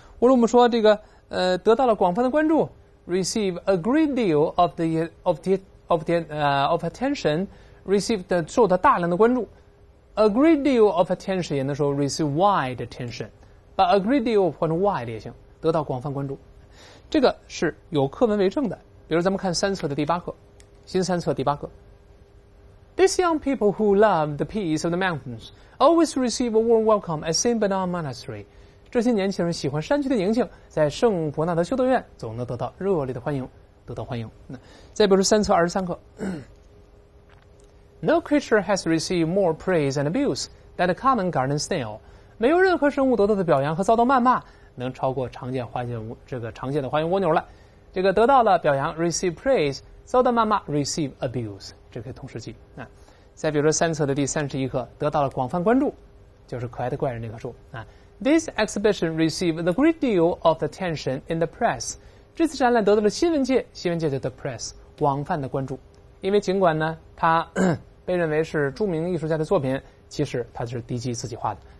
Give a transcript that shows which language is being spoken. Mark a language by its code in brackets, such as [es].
[zh] 或者我们说这个得到了广泛的关注， [en] receive a great deal of attention， [zh] receive 的受到大量的关注。 [en] A great deal of attention [zh] 也能说 [en] receive wide attention， [zh] 把 a great deal 换成 wide 也行，得到广泛关注。这个是有课文为证的，比如咱们看三册的第八课，新三册第八课。 [en] These young people who love the peace of the mountains always receive a warm welcome at St. Bernard Monastery。 [zh] 这些年轻人喜欢山区的宁静，在圣伯纳德修道院总能得到热烈的欢迎，得到欢迎。再比如三册二十三课。 [en] No creature has received more praise and abuse than the common garden snail. [zh] 没有任何生物得到的表扬和遭到谩骂能超过常见的花园蜗牛了。这个得到了表扬 [en] receive praise， [zh] 遭到谩骂 [en] receive abuse， [zh] 这可以同时记。再比如说三册的第三十一课，得到了广泛关注，就是可爱的怪人那棵树。 [en] This exhibition received a great deal of attention in the press. [zh] 这次展览得到了新闻界叫 [en] the press， [zh] 广泛的关注。因为尽管呢它被认为是著名艺术家的作品，其实它是迪基自己画的。